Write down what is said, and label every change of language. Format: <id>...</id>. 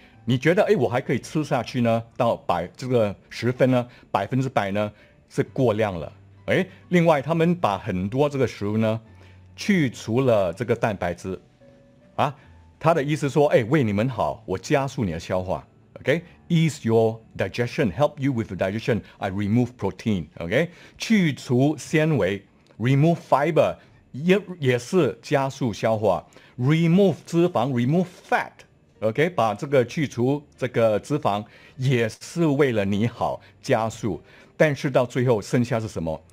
<zh>你觉得哎，我还可以吃下去呢？到百这个十分呢，百分之百呢是过量了。哎，另外他们把很多这个食物呢去除了这个蛋白质，啊，他的意思说，哎，为你们好，我加速你的消化。</zh> <en>Okay, ease your digestion, help you with the digestion. I remove protein.</en> <zh>Okay, 去除纤维 ，</zh> <en>remove fiber，</en> <zh>也是加速消化 ，remove 脂肪 ，</zh> <en>remove fat.</en> <zh>Okay, 把这个去除这个脂肪也是为了你好加速，但是到最后剩下是什么？</zh>